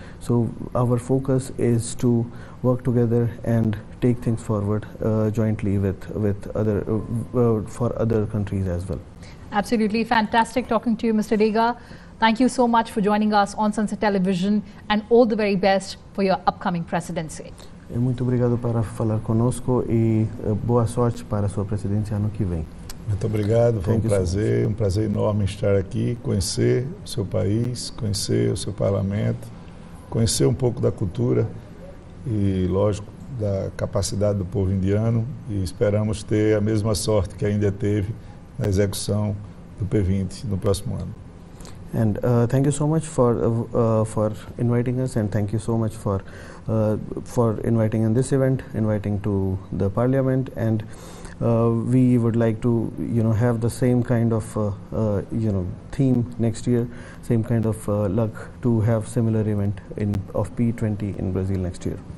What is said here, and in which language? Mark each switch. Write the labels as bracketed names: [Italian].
[English] So our focus is to work together and take things forward jointly with other for other countries as well. Absolutely fantastic talking to you, Mr. Dega. Thank you so much for joining us on Sunset Television, and all the very best for your upcoming presidency. [Portuguese] Muito obrigado por falar conosco e boa sorte para sua presidência ano que vem. Muito obrigado, foi um prazer enorme estar aqui, conhecer o seu país, conhecer o seu parlamento, conhecer um pouco da cultura e, lógico, da capacidade do povo indiano, e esperamos ter a mesma sorte que a Índia teve na execução do P20 no próximo ano. [English] And thank you so much for inviting us, and thank you so much for inviting in this event, inviting to the parliament, and we would like to have the same kind of theme next year, same kind of luck to have similar event of P20 in Brazil next year.